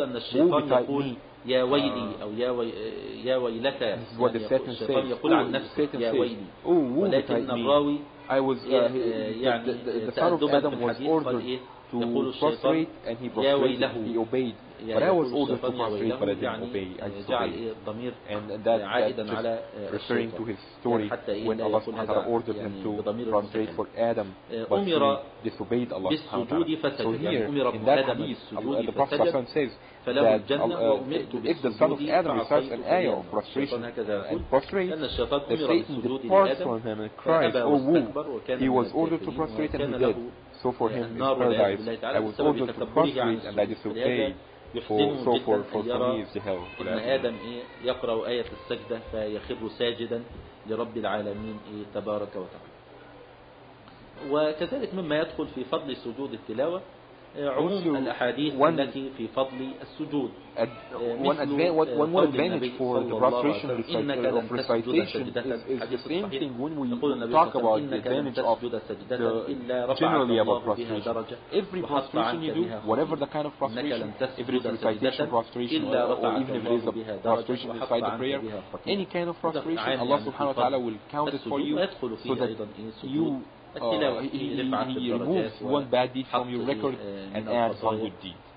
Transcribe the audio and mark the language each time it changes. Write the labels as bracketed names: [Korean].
[Arabic] أن الشيطان يقول يا ويلي أو يا ويلك يعني يقول عن نفسه يا ويلي ولكن الراوي يعني تأدبت بالحديث قال إيه يقول الشيطان يا ويله [English] But I was ordered to prostrate, but I didn't obey. I disobeyed. And that just referring to his story when Allah subhanahu wa ta'ala ordered him to prostrate for Adam, but he disobeyed Allah subhanahu wa ta'ala. So here, in that hadith, the Prophet says that if the son of Adam recites an ayah of prostration and prostrates, the Satan departs from him and cries, oh woo, he was ordered to prostrate and he did. So for him in paradise, I was ordered to prostrate and I disobeyed. [Arabic] For إن آدم يقرأ آية السجدة فيخر ساجدا لرب العالمين تبارك وتعالى. وكذلك مما يدخل في فضل سجود التلاوة عموم الأحاديث التي في فضل السجود. [English] One advantage for the prostration recitation of recitation is the same thing when we talk about the advantage of generally about prostration. Every prostration you do, whatever the kind of prostration, if it is recitation prostration or even if it is a prostration beside the prayer, any kind of prostration, Allah subhanahu wa ta'ala will count it for you so that you he removes one bad deed from your record and adds one good deed.